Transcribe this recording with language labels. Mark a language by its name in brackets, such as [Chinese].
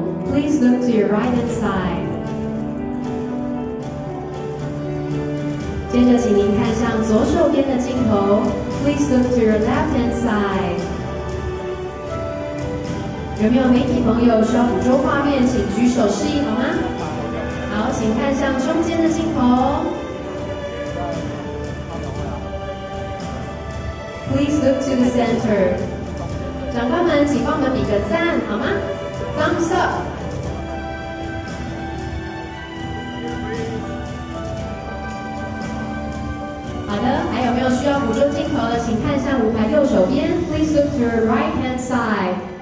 [English] Please look to your right hand side. [Chinese] 接着请您看向左手边的镜头。 [English] Please look to your left hand side. [Chinese] 有没有媒体朋友需要捕捉画面，请举手示意好吗？好，请看向中间的镜头。 [English] Please look to the center. [Chinese] 长官们，请帮我们比个赞好吗？ [English] Thumbs up. [Chinese] 好的，还有没有需要捕捉镜头的，请看向舞台右手边。 [English] Please look to your right hand side.